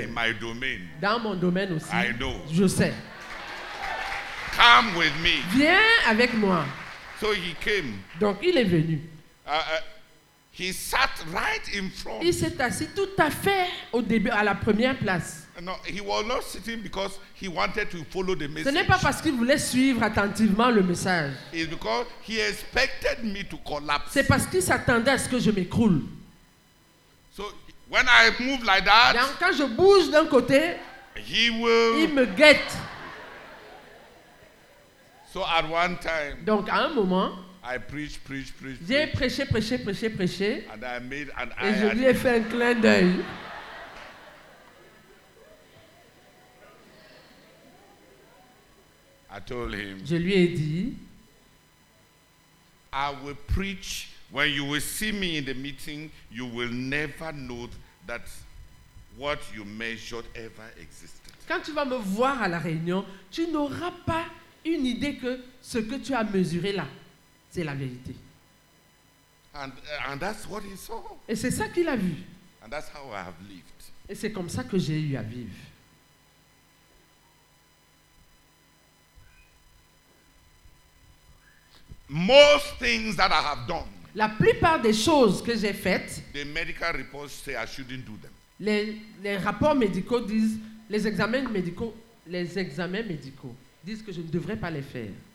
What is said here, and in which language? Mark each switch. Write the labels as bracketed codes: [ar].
[en] In my domain. [fr] Dans mon domaine aussi. [en] I know. [fr] Je sais. [en] Come with me. [fr] Viens avec moi. [en] So he came. [fr] Donc il est venu. [en] He sat right in front. [fr] Il s'est assis tout à fait au début, à la première place. [en] No, he was not sitting because he wanted to follow the message. [fr] Ce n'est pas parce qu'il voulait suivre attentivement le message. [en] It's because he expected me to collapse. [fr] C'est parce qu'il s'attendait à ce que je m'écroule. [en] So when I move like that, [fr] donc, quand je bouge d'un côté, [en] he will. [fr] Il me guette. [en] So at one time, [fr] donc à un moment, [en] I preach. [fr] J'ai prêché. [en] And I made an [fr] et je lui ai fait un clin d'œil. [en] I told him, [fr] je lui ai dit, [en] I will preach. When you will see me in the meeting, you will never know that what you measured ever existed. [fr] Quand tu vas me voir à la réunion, tu n'auras pas une idée que ce que tu as mesuré là, c'est la vérité. [en] And that's what he saw. [fr] Et c'est ça qu'il a vu. [en] And that's how I have lived. [fr] Et c'est comme ça que j'ai eu à vivre. [en] Most things that I have done, [fr] la plupart des choses que j'ai faites, [en] the medical reports say I shouldn't do them. [fr] Les rapports médicaux disent, les examens médicaux disent que je ne devrais pas les faire.